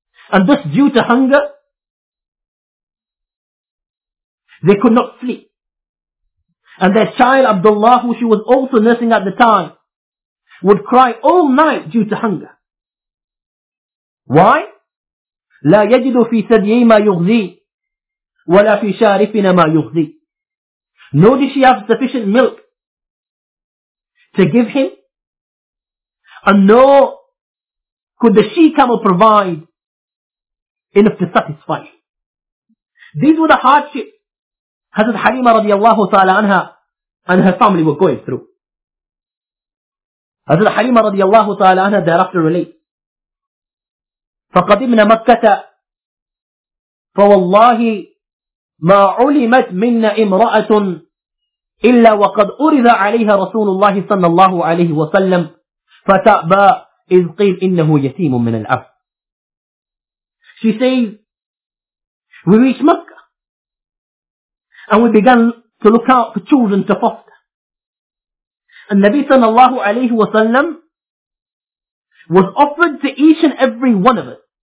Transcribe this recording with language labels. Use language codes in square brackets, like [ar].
[en] And thus due to hunger, they could not sleep. And their child Abdullah, who she was also nursing at the time, would cry all night due to hunger. Why? [ar] لا يجد في ثديه ما يغذي ولا في شاربنا ما يغذي. [en] Nor did she have sufficient milk to give him, and nor could the she-camel provide enough to satisfy him. These were the hardships Hazrat Halima radiallahu ta'ala anha and her family were going through. Hazrat Halima radiallahu ta'ala anha thereafter relates, [ar] فَقَدِمْنَا مَكَّةَ فَوَاللَّهِ مَا عُلِمَتْ مِنَّا إِمْرَأَةٌ إِلَّا وَقَدْ أُرِذَ عَلَيْهَا رَسُولُ اللَّهِ صَلَّى اللَّهُ عَلَيْهِ وَسَلَّمْ فَتَأْبَى إِذْ قِيلَ إِنَّهُ يَتِيمٌ مِنَ الْأَرْضِ. [en] She says, we reached Mecca and we began to look out for children to foster. And Nabi sallallahu alayhi wa sallam was offered to each and every one of us.